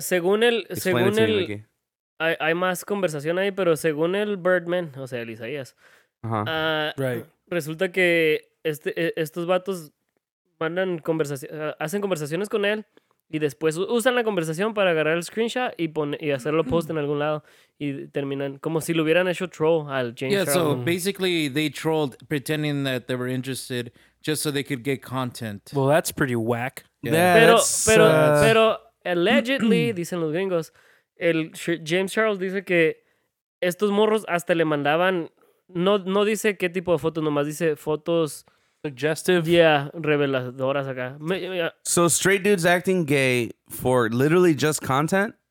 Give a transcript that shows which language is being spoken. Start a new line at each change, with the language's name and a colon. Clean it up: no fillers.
Spanish: Hay más conversación ahí, pero según el Birdman, o sea, el Isaías...
English: Uh-huh. Right.
Spanish: Resulta que... estos vatos mandan hacen conversaciones con él y después usan la conversación para agarrar el screenshot y hacerlo post en algún lado y terminan como si lo hubieran hecho troll al James.
English: Yeah, so basically they trolled pretending that they were interested just so they could get content. Well, that's pretty whack. Yeah. Yeah,
Spanish: pero allegedly, dicen los gringos, el James Charles dice que estos morros hasta le mandaban... No dice qué tipo de fotos, nomás dice fotos...
English: Suggestive.
Spanish: Yeah, reveladoras acá.
English: So straight dudes acting gay for literally just content?